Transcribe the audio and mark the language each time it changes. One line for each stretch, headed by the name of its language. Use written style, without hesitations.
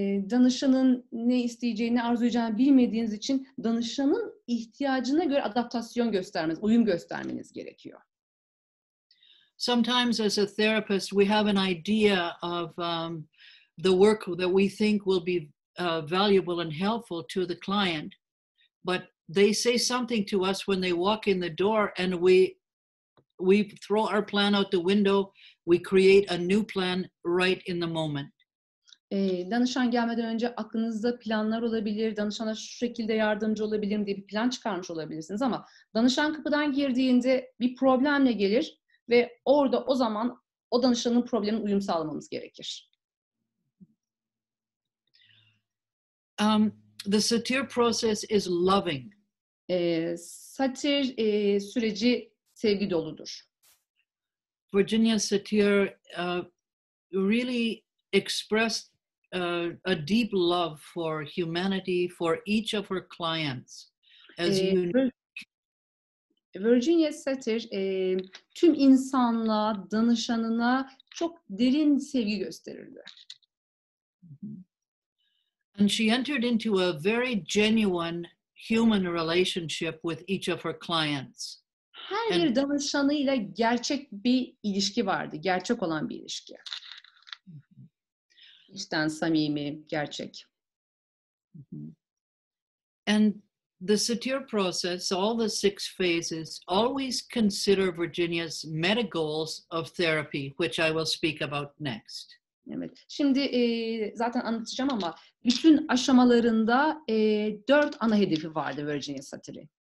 Turkish: Danışanın ne isteyeceğini, ne arzulayacağını bilmediğiniz için danışanın ihtiyacına göre adaptasyon göstermeniz, uyum göstermeniz gerekiyor.
English: Sometimes as a therapist we have an idea of the work that we think will be valuable and helpful to the client, but they say something to us when they walk in the door and we throw our plan out the window, we create a new plan right in the moment.
Turkish: Danışan gelmeden önce aklınızda planlar olabilir, danışana şu şekilde yardımcı olabilirim diye bir plan çıkarmış olabilirsiniz ama danışan kapıdan girdiğinde bir problemle gelir ve orada o zaman o danışanın problemine uyum sağlamamız gerekir.
English: The Satir process is loving.
Turkish: Satir süreci sevgi doludur.
English: Virginia Satir really expressed a deep love for humanity for each of her clients as unique.
Turkish: Virginia Satir tüm insanlığa, danışanına çok derin sevgi gösterirdi.
English: And she entered into a very genuine human relationship with each of her clients.
Turkish: Her bir danışanıyla gerçek bir ilişki vardı, gerçek olan bir ilişki. İçten samimi, gerçek.
English: And the Satir process, all the six phases, always consider Virginia's meta goals of therapy, which I will speak about next.
Turkish: Evet, şimdi zaten anlatacağım ama bütün aşamalarında dört ana hedefi vardı Virginia Satir'in.